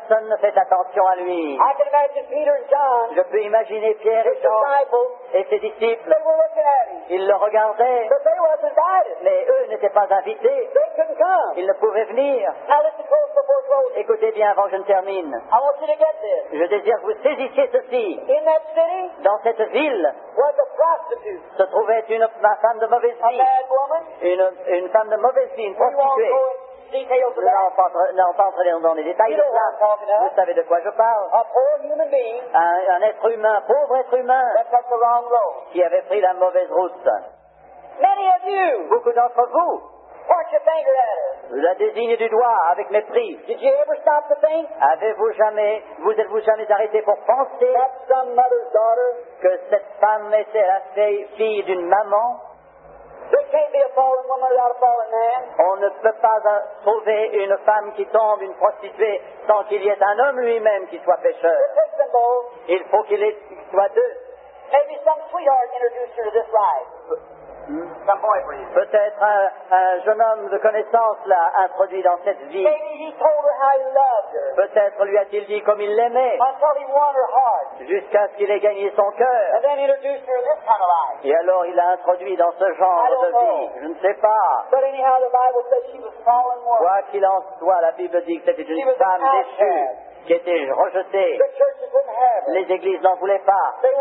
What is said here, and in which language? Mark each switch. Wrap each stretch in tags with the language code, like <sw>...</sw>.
<fr>Personne ne fait attention à lui.</fr> <en>I can imagine Peter and John.</en> <fr>Je peux imaginer Pierre et Jean. Et ses disciples.</fr> <en>They were looking at him.</en> <fr>Ils le regardaient.</fr> <en>But they weren't invited.</en> <fr>Mais eux n'étaient pas invités.</fr> <en>They couldn't come.</en> <fr>Ils ne pouvaient venir.</fr> <en>Now listen close before closing.</en> <fr>Écoutez bien avant que je ne termine.</fr> <en>I want you to get this.</en> <fr>Je désire que vous saisissiez ceci.</fr> <en>In that city.</en> <fr>Dans cette ville.</fr> <en>Was a prostitute.</en> <fr>Se trouvait une femme de mauvaise vie.</fr> <en>A bad woman.</en> <fr>Une femme de mauvaise vie. Non, pas entrer dans les détails de ça. Vous savez de quoi je parle.</fr> <en>A poor human being,</en> <fr>un être humain, pauvre être humain,</fr> <en>that took the wrong road,</en> <fr>qui avait pris la mauvaise route.</fr> <en>Many of you,</en> <fr>beaucoup d'entre vous,</fr> <en>point your finger at her,</en> <fr>la désignez du doigt avec mépris.</fr> <en>Did you ever stop to think?</en> <fr>Vous êtes-vous jamais arrêté pour penser</fr> <en>that some mother's daughter,</en> <fr>que cette femme était la fille d'une maman?</fr> <en>There can't be a fallen woman without a fallen man.</en> <fr>On ne peut pas sauver une femme qui tombe, une prostituée, sans qu'il y ait un homme lui-même qui soit pécheur. Il faut qu'il soit deux.</fr> <en>Maybe some sweetheart introduced her to this life. Some boyfriend.</en> <fr>Peut-être un jeune homme de connaissance l'a introduit dans cette vie.</fr> <en>Maybe he told her how he loved her.</en> <fr>Peut-être lui a-t-il dit comme il l'aimait.</fr> <en>Until he won her heart.</en> <fr>Jusqu'à ce qu'il ait gagné son cœur.</fr> <en>And then introduced her to this kind of life.</en> <fr>Et alors il l'a introduit dans ce genre de vie. Je ne sais pas.</fr> <en>But anyhow, the Bible says she was fallen woman.</en> <fr>Quoi qu'il en soit, la Bible dit que c'était une femme déchue. Qui était rejeté. Les églises n'en voulaient pas.</fr>